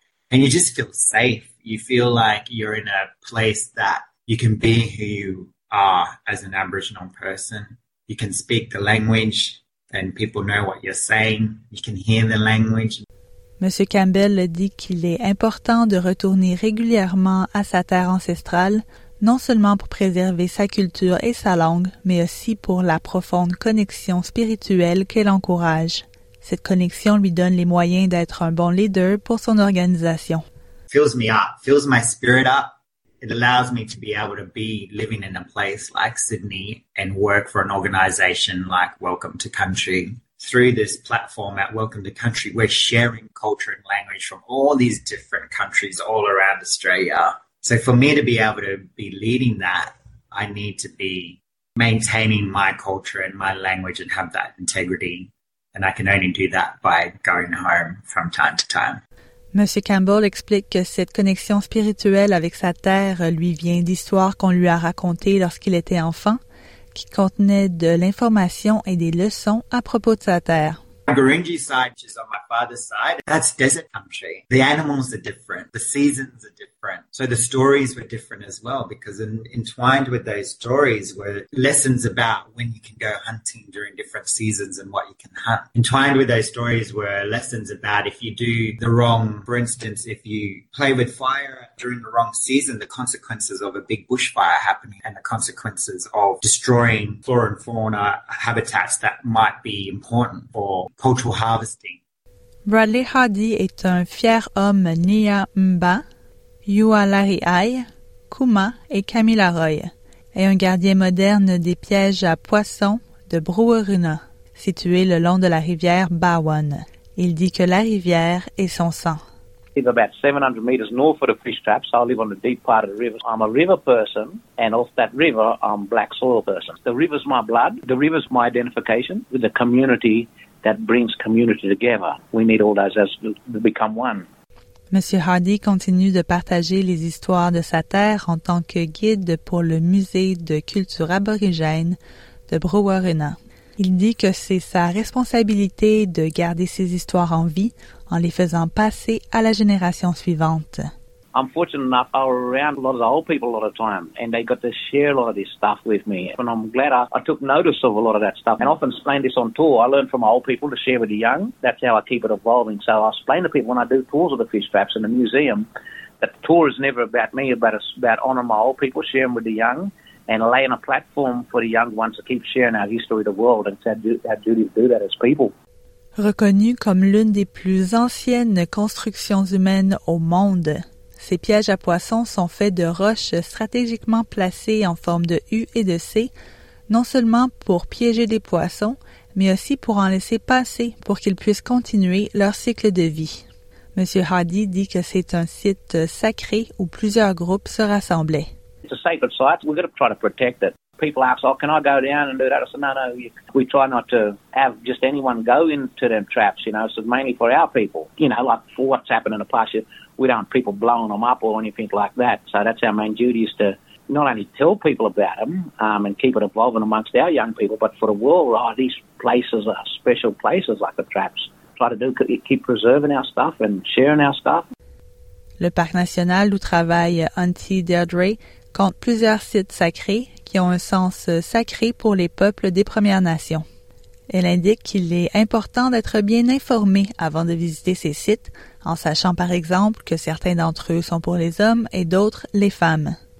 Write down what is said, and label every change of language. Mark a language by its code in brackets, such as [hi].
[en] And you just feel safe. You feel like you're in a place that you can be who you are as an Aboriginal person. You can speak the language and people know what you're saying. You can hear the language. [fr] Monsieur Campbell dit qu'il est important de retourner régulièrement à sa terre ancestrale, non seulement pour préserver sa culture et sa langue, mais aussi pour la profonde connexion spirituelle qu'elle encourage. Cette connexion lui donne les moyens d'être un bon leader pour son organisation. [en] Fills me up, fills my spirit up. It allows me to be able to be living in a place like Sydney and work for an organization like Welcome to Country. Through this platform at Welcome to Country, we're sharing culture and language from all these different countries all around Australia. So for me to be able to be leading that, I need to be maintaining my culture and my language and have that integrity. And I can only do that by going home from time to time. [fr] Monsieur Campbell explique que cette connexion spirituelle avec sa terre lui vient d'histoires qu'on lui a racontées lorsqu'il était enfant, qui contenaient de l'information et des leçons à propos de sa terre. [en] Gurindji side, which is on my father's side, that's desert country. The animals are different. The seasons are different. So the stories were different as well, because entwined with those stories were lessons about when you can go hunting during different seasons and what you can hunt. Entwined with those stories were lessons about if you do the wrong, for instance, if you play with fire during the wrong season, the consequences of a big bushfire happening and the consequences of destroying flora and fauna habitats that might be important for cultural harvesting. [fr] Bradley Hardy est un fier homme Nia Mba, Yua Larry Ai, Kuma et Camila Roy, et un gardien moderne des pièges à poissons de Bruaruna, situé le long de la rivière Bawan. Il dit que la rivière est son sang. [en] It's about 700 meters north of the fish traps. I live on the deep part of the river. I'm a river person, and off that river, I'm black soil person. The river's my blood. The river's my identification with the community that brings community together. We need all those to become one. [fr] Monsieur Hardy continue de partager les histoires de sa terre en tant que guide pour le musée de culture aborigène de Bruaruna. Il dit que c'est sa responsabilité de garder ses histoires en vie en les faisant passer à la génération suivante. [en] I'm fortunate enough, I'm around a lot of the old people a lot of time, and they got to share a lot of this stuff with me. And I'm glad I took notice of a lot of that stuff. And often explain this on tour. I learn from old people to share with the young. That's how I keep it evolving. So I explain to people when I do tours of the fish traps in the museum that the tour is never about me, but it's about honoring my old people, sharing with the young, and laying a platform for the young ones to keep sharing our history of the world. And it's our duty to do that as people. [fr] Reconnue comme l'une des plus anciennes constructions humaines au monde, ces pièges à poissons sont faits de roches stratégiquement placées en forme de U et de C, non seulement pour piéger des poissons, mais aussi pour en laisser passer pour qu'ils puissent continuer leur cycle de vie. M. Hardy dit que c'est un site sacré où plusieurs groupes se rassemblaient. [en] It's a sacred site. We've got to try to protect it. People ask, oh, can I go down and do that? I said, no, we try not to have just anyone go into them traps, you know, so mainly for our people, you know, like for what's happened in the past year. We don't want people blowing them up or anything like that. So that's our main duty, is to not only tell people about them and keep it evolving amongst our young people, but for the world, oh, these places are special places like the traps. Try to do keep preserving our stuff and sharing our stuff. [fr] Le parc national où travaille Auntie Deirdre compte plusieurs sites sacrés qui ont un sens sacré pour les peuples des Premières Nations. Elle indique qu'il est important d'être bien informé avant de visiter ces sites, en sachant par exemple que certains d'entre eux sont pour les hommes et d'autres les femmes.